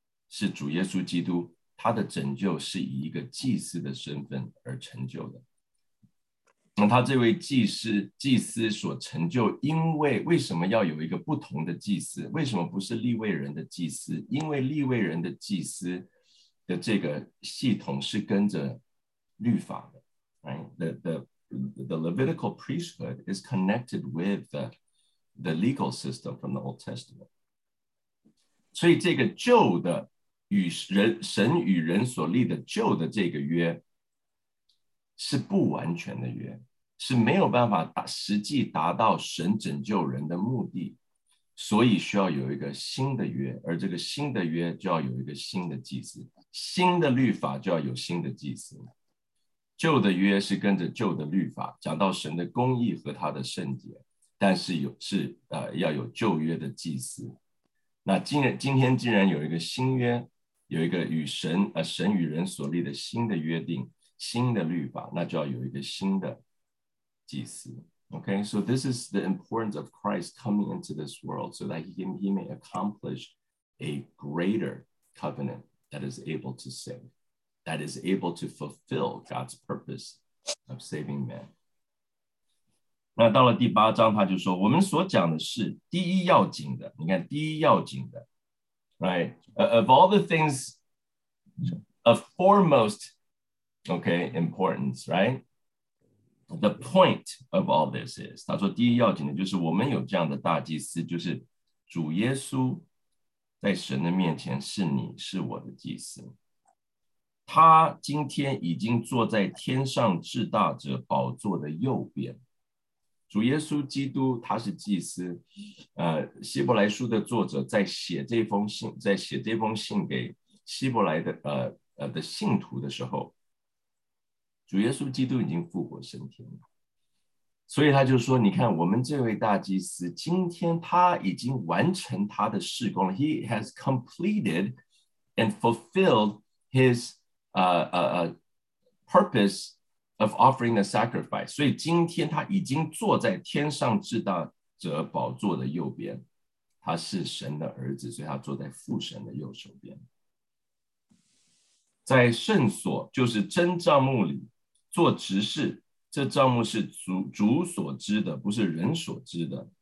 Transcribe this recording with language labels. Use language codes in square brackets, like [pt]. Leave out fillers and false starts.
[zh] 是主耶稣基督，他的拯救是以一个祭司的身份而成就的。那他这位祭司所成就，因为为什么要有一个不同的祭司？为什么不是利未人的祭司？因为利未人的祭司的这个系统是跟着律法的。 [en] The Levitical priesthood is connected with the legal system from the Old Testament. [zh] 所以这个旧的与人神与人所立的旧的这个约是不完全的约，是没有办法实际达到神拯救人的目的，所以需要有一个新的约，而这个新的约就要有一个新的祭司，新的律法就要有新的祭司。旧的约是跟着旧的律法，讲到神的公义和他的圣洁，但是要有旧约的祭司。那今天既然有一个新约，有一个与神神与人所立的新的约定，新的律法，那就要有一个新的祭司。 [en] Okay, so this is the importance of Christ coming into this world so that he may accomplish a greater covenant that is able to save, that is able to fulfill God's purpose of saving men. [zh] 那到了第八章，他就说我们所讲的是第一要紧的。你看第一要紧的 [en] right, of all the things of foremost okay, importance, right, the point of all this is, [zh] 他说第一要紧的就是我们有这样的大祭司，就是主耶稣在神的面前是你是我的祭司，他今天已经坐在天上至大者宝座的右边。主耶稣基督他是祭司，希伯来书的作者在写这封信给希伯来的信徒的时候，主耶稣基督已经复活升天了，所以他就说你看我们这位大祭司今天他已经完成他的事工了。 [en] He has completed and fulfilled his purpose of offering the sacrifice. [zh] 所以今天他已经坐在天上至大者宝座的右边，他是神的儿子，所以他坐在父神的右手边，在圣所就是真帐幕里做执事。这帐幕是 主所知的，不是人所知的。